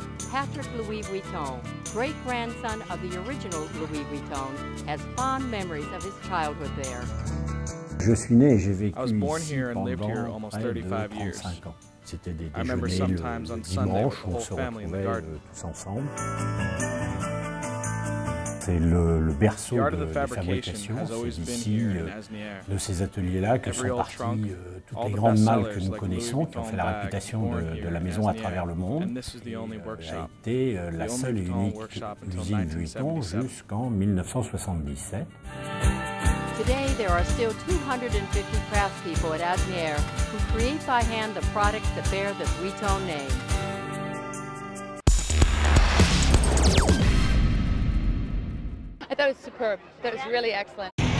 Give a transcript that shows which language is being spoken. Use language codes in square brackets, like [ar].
[en] Patrick Louis Vuitton, great-grandson of the original Louis Vuitton, has fond memories of his childhood there. I was born here and lived here almost 35 years. I remember sometimes on Sunday with the whole family in the garden. [fr] Le berceau de la fabrication, c'est ici, de ces sont parties toutes les grandes marques que nous connaissons, qui ont fait la réputation de la maison à travers le monde. Ça a été la seule et unique usine Vuitton jusqu'en 1977. [en] Today, there are still 250 craftspeople at Asnières who create by hand the products that bear the Vuitton name. That was superb. That was really excellent.